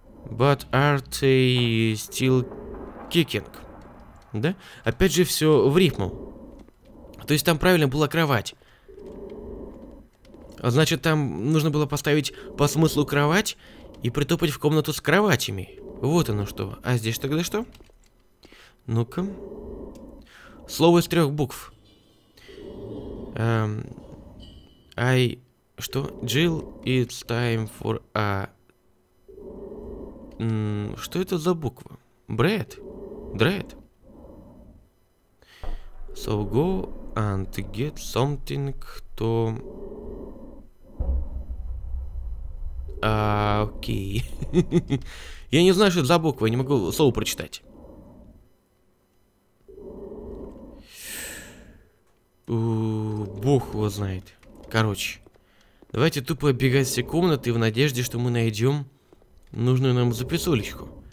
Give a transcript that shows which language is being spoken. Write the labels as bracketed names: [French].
[English] But are they still kicking? [Russian] Да? Опять же, все в рифму. То есть там правильно была кровать. А значит, там нужно было поставить по смыслу кровать и притопать в комнату с кроватями. Вот оно что. А здесь тогда что? Ну-ка. Слово из трех букв. [English] I... [Russian] Что? [English] Jill, it's time for a... [Russian] Что это за буква? Бред? Дред? [English] So go and get something to... [Russian] окей. Я не знаю, что это за буква, я не могу слово прочитать. Бог его знает. Короче, давайте тупо оббегать все комнаты в надежде, что мы найдем нужную нам записулечку.